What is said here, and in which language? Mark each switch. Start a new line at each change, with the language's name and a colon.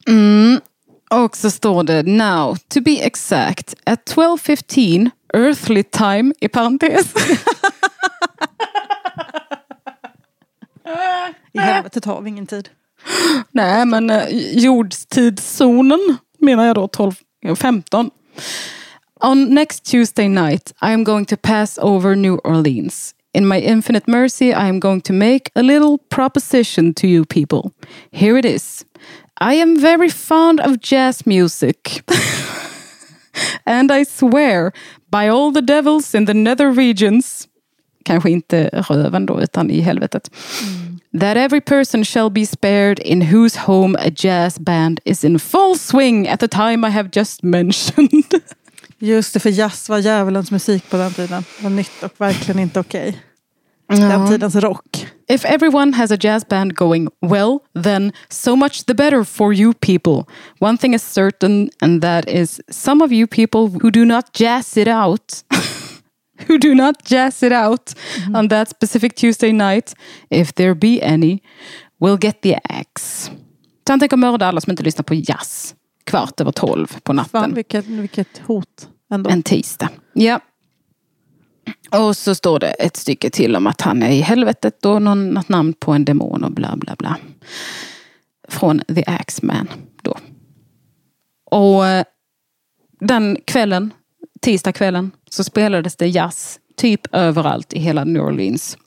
English: Mm.
Swedish: Och så står det,
English: now, to be exact, at 12:15... Earthly time,
Swedish: i parentes. I helvetet har vi ingen tid. Nej, men jordstidszonen menar jag då 12:15.
English: On next Tuesday night, I am going to pass over New Orleans. In my infinite mercy, I am going to make a little proposition to you people. Here it is. I am very fond of jazz music. And I swear, by all the devils in the nether regions,
Swedish: kanske inte röven då, utan i helvetet,
English: that every person shall be spared in whose home a jazz band is in full swing at the time I have just mentioned.
Swedish: Just det, för jazz var djävulens musik på den tiden. Det var nytt och verkligen inte okej. Okay. Den tidens rock.
English: If everyone has a jazz band going well, then so much the better for you people. One thing is certain, and that is some of you people who do not jazz it out, who do not jazz it out on that specific Tuesday night, if there be any, will get the axe.
Swedish: Så han tänker mörda alla som inte lyssnar på jazz kvart över 12 på natten. Fan, vilket hot ändå. En tisdag. Ja. Yeah. Och så står det ett stycke till om att han är i helvetet och något namn på en demon och bla bla bla. Från The Axeman då. Och den kvällen, tisdagskvällen, så spelades det jazz typ överallt i hela New Orleans.